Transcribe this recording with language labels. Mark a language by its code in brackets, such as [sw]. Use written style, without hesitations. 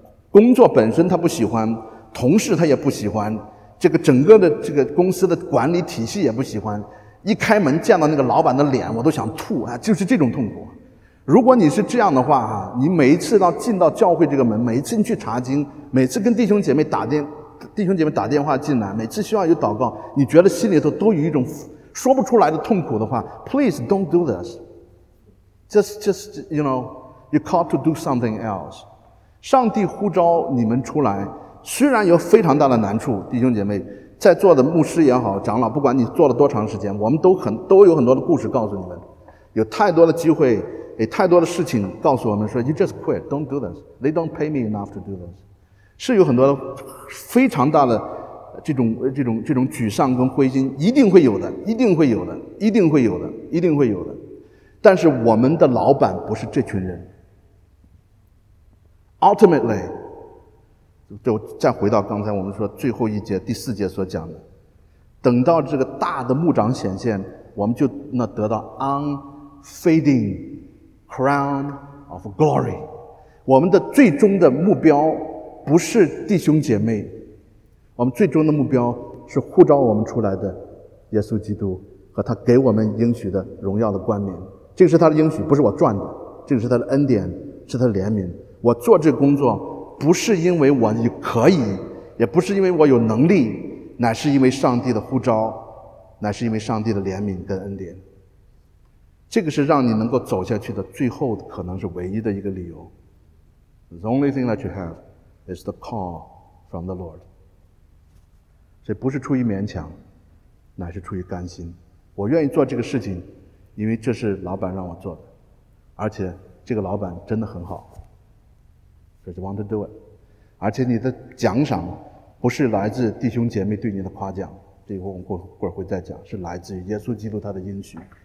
[zh] 工作本身他不喜欢，同事他也不喜欢，这个整个的这个公司的管理体系也不喜欢，一开门见到那个老板的脸我都想吐啊，就是这种痛苦。如果你是这样的话啊，你每一次到进到教会这个门，每一次你去查经，每次跟弟兄姐妹打电话进来，每次需要有祷告，你觉得心里头都有一种说不出来的痛苦的话， [en] Please don't do this. Just, you know, you're called to do something else. [zh] 上帝呼召你们出来，虽然有非常大的难处，弟兄姐妹，在座的牧师也好，长老，不管你做了多长时间，我们都有很多的故事告诉你们，有太多的机会，有太多的事情告诉我们说 [en] You just quit, don't do this. They don't pay me enough to do this. [zh] 是有很多的非常大的这种沮丧跟灰心，一定会有的，一定会有的，一定会有的，一定会有的。但是我们的老板不是这群人。 [en] Ultimately, [zh] 就再回到刚才我们说最后一节第四节所讲的，等到这个大的牧长显现，我们就那得到 [en] unfading crown of glory。 [zh] 我们的最终的目标不是弟兄姐妹。我们最终的目标是呼召我们出来的耶稣基督和他给我们应许的荣耀的冠冕。这个是他的应许，不是我赚的，这个是他的恩典，是他的怜悯。我做这个工作不是因为我可以，也不是因为我有能力，乃是因为上帝的呼召，乃是因为上帝的怜悯跟恩典。这个是让你能够走下去的最后可能是唯一的一个理由。 [en] The only thing that you have is the call from the Lord. [zh] 所以不是出于勉强，乃是出于甘心。我愿意做这个事情，因为这是老板让我做的，而且这个老板真的很好。 [en] So you want to do it. [zh] 而且你的奖赏不是来自弟兄姐妹对你的夸奖，这个我们过会再讲，是来自于耶稣基督他的应许。